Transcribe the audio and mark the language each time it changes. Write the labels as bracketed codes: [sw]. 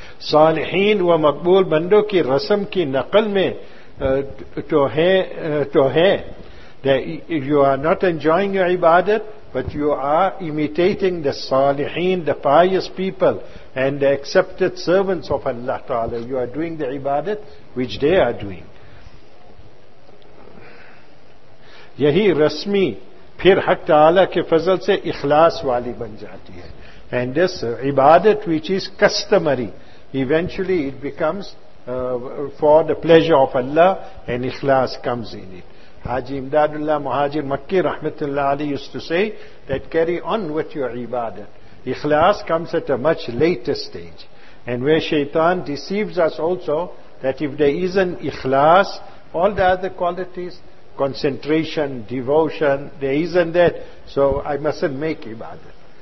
[ur] صالحین و مقبول بندوں کی رسم کی نقل میں تو ہے [en] that you are not enjoying your ibadat, but you are imitating the salihin, the pious people, and the accepted servants of Allah Ta'ala. You are doing the ibadat which they are doing. [ur] یہی رسمی پھر حق تعالیٰ کے فضل سے اخلاص والی بن جاتی ہے. [en] And this ibadat which is customary, eventually it becomes for the pleasure of Allah, and ikhlas comes in it. Haji Imdadullah Muhajir Makki rahmatullah Ali used to say that carry on with your ibadat. Ikhlas comes at a much later stage. And where shaitan deceives us also, that if there isn't ikhlas, all the other qualities, concentration, devotion, there isn't that, so I mustn't make ibadat.